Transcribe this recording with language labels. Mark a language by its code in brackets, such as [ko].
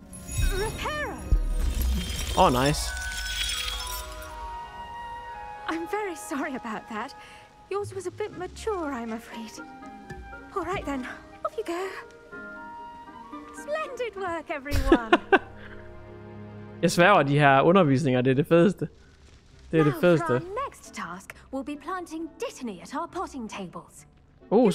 [en] Reparo. Oh, nice. I'm very sorry about that. Yours was a bit mature, I'm afraid. All right then, off you go. Splendid work, everyone. [da] Jeg sværger, de her undervisninger, det er det fedeste. Det er det fedeste. [en] Next task will be planting detony at our potting tables.